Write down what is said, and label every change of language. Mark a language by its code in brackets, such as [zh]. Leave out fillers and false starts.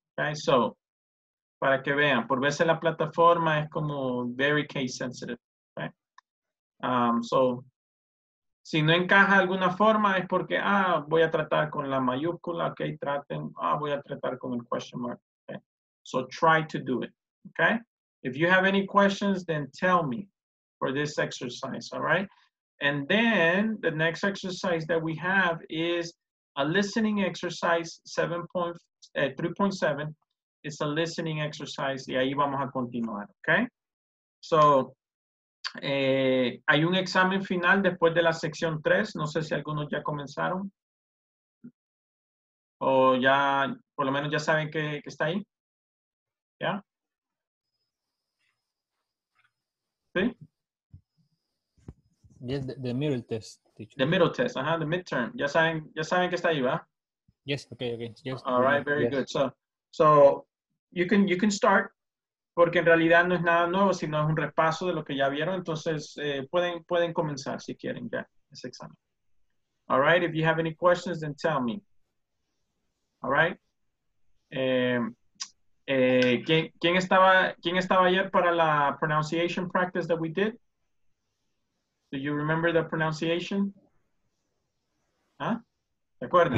[es] Okay, so para que vean, por veces la plataforma es como [en] very case sensitive. [es] Okay? So si no encaja de alguna forma es porque, voy a tratar con la mayúscula, ok, traten, voy a tratar con el question mark, okay. [en] So try to do it, okay? If you have any questions, then tell me for this exercise, all right? And then the next exercise that we have is a listening exercise 3.7. It's a listening exercise [es] y ahí vamos a continuar, [en] okay? So... [es] hay un examen final después de la sección 3. No sé si algunos ya comenzaron. O ya, por lo menos ya saben que está ahí. ¿Ya? ¿Sí? [en] Yes, the middle test. Teacher. The middle test, [es] ajá, [en] the midterm. [es] Ya saben que está ahí, ¿va? [en] Yes, okay, okay. Yes. All right, very yes. Good. So you can start. [es] Porque en realidad no es nada nuevo, sino es un repaso de lo que ya vieron. Entonces, pueden comenzar si quieren ya ese examen. [en] All right, if you have any questions, then tell me. All right. [es] ¿Quién estaba ayer para la [en] pronunciation practice that we did? Do you remember the pronunciation? ¿Ah? [es] ¿Te acuerdas?